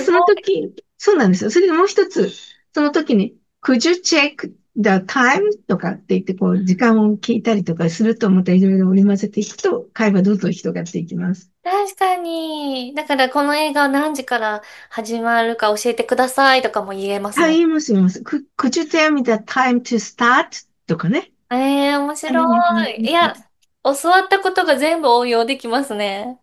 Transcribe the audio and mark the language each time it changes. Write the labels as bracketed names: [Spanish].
[Japanese] その時、そうなんですよ。それでもう一つ、その時に、 [English] Could you check? [Japanese] The time とかって言って、こう、時間を聞いたりとかすると、またいろいろ織り交ぜていくと、会話どんどん広がっていきます。確かに。だから、この映画何時から始まるか教えてくださいとかも言えますあ、言います、言います。 [English] Could you tell me the time to start? [Japanese] とかね。ん。ええー、面あ白れ、言い。いいや、教わったことが全部応用できますね。